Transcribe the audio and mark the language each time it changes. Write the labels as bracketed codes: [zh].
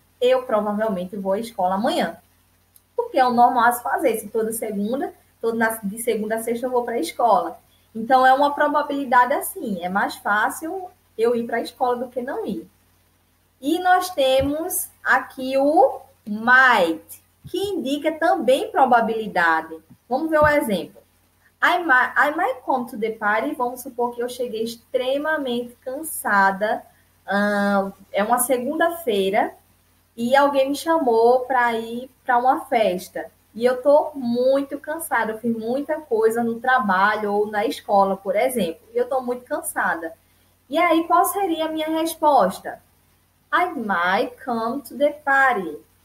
[pt] Eu provavelmente vou à escola amanhã. Porque é o normal a se fazer, se toda segunda, de segunda a sexta eu vou para a escola. Então, é uma probabilidade assim, é mais fácil eu ir para a escola do que não ir. E nós temos aqui o might, que indica também probabilidade. Vamos ver o exemplo. [en] I might come to the party. [pt] Vamos supor que eu cheguei extremamente cansada. É uma segunda-feira e alguém me chamou para ir para uma festa. E eu estou muito cansada. Eu fiz muita coisa no trabalho ou na escola, por exemplo. E eu estou muito cansada. E aí, qual seria a minha resposta? [en] I might come to the party.